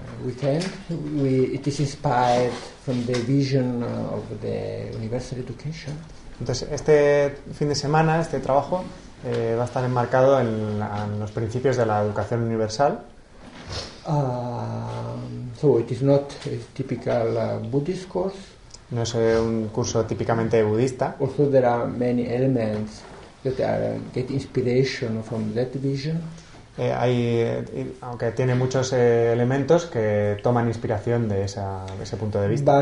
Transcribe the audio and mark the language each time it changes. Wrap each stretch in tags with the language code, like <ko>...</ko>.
<en>it is inspired from the vision of the universal education.</en> <es>Entonces, este fin de semana, este trabajo, va a estar enmarcado en los principios de la educación universal.</es> <en>So it is not a typical Buddhist course.</en> <es>No es un curso típicamente budista.</es> <en>Also, there are many elements that are get inspiration from that vision.</en> <es>Aunque tiene muchos elementos que toman inspiración de esa, de ese punto de vista.</es>